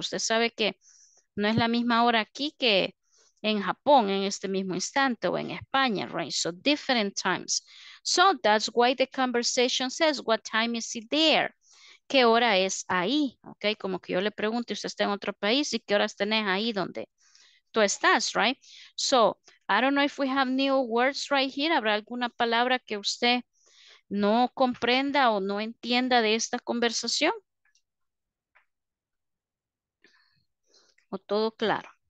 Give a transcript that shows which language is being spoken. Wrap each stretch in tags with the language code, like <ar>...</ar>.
<es>Usted sabe que no es la misma hora aquí que en Japón en este mismo instante o en España, right?</es> <en>So, different times. So, that's why the conversation says, what time is it there?</en> <es>¿Qué hora es ahí? Okay, como que yo le pregunto, usted está en otro país y qué horas tenés ahí donde tú estás, right?</es> <en>So, I don't know if we have new words right here.</en> <es>¿Habrá alguna palabra que usted no comprenda o no entienda de esta conversación? ¿O todo claro?</es>